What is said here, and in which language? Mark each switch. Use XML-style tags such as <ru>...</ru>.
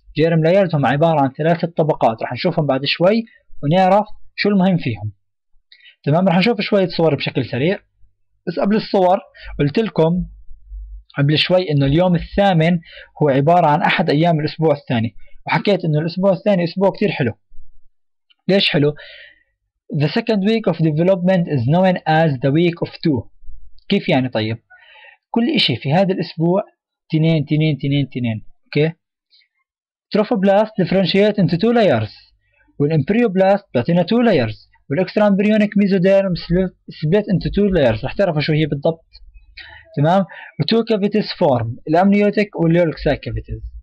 <ar>جيرم لايرز هم عبارة عن ثلاثة طبقات رح نشوفهم بعد شوي ونعرف شو المهم فيهم، تمام. رح نشوف شوية صور بشكل سريع، بس قبل الصور قلت لكم قبل شوي انه اليوم الثامن هو عبارة عن احد ايام الاسبوع الثاني، وحكيت انه الاسبوع الثاني اسبوع كتير حلو. ليش حلو؟</ar> <en>The second week of development is known as the week of two.</en> <ar>كيف يعني طيب؟ كل اشي في هذا الاسبوع تنين تنين تنين تنين، اوكي؟ تروفوبلاست</ar> <en>differentiate into two layers،</en> <ar>والامبريوبلاست بلاتينا two layers، والاكسترا امبريونيك ميزوديرم</ar> <en>split into two layers,</en> <ar>رح تعرفوا شو هي بالضبط، تمام، وتو كافيتيز فورم الامنيوتيك واليولكساي كافيتيز.</ar>